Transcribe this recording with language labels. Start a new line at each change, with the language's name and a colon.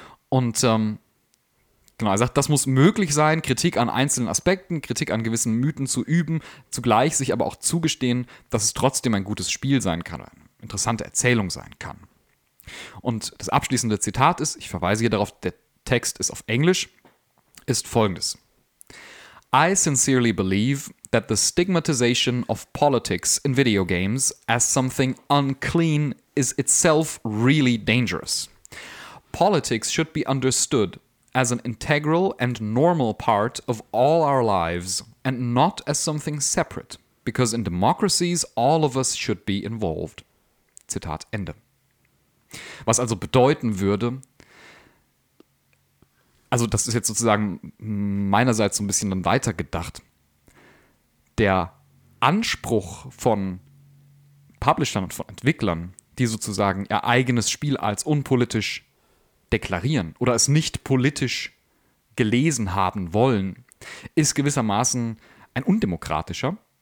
German: Und genau, er sagt, das muss möglich sein, Kritik an einzelnen Aspekten, Kritik an gewissen Mythen zu üben, zugleich sich aber auch zugestehen, dass es trotzdem ein gutes Spiel sein kann, eine interessante Erzählung sein kann. Und das abschließende Zitat ist, ich verweise hier darauf, der Text ist auf Englisch, ist folgendes.
English: I sincerely believe that the stigmatization of politics in video games as something unclean is itself really dangerous. Politics should be understood as an integral and normal part of all our lives and not as something separate, because in democracies all of us should be involved.
German: Zitat Ende. Was also bedeuten würde, also das ist jetzt sozusagen meinerseits so ein bisschen dann weitergedacht, der Anspruch von Publishern und von Entwicklern, die sozusagen ihr eigenes Spiel als unpolitisch deklarieren oder es nicht politisch gelesen haben wollen, ist gewissermaßen ein undemokratischer.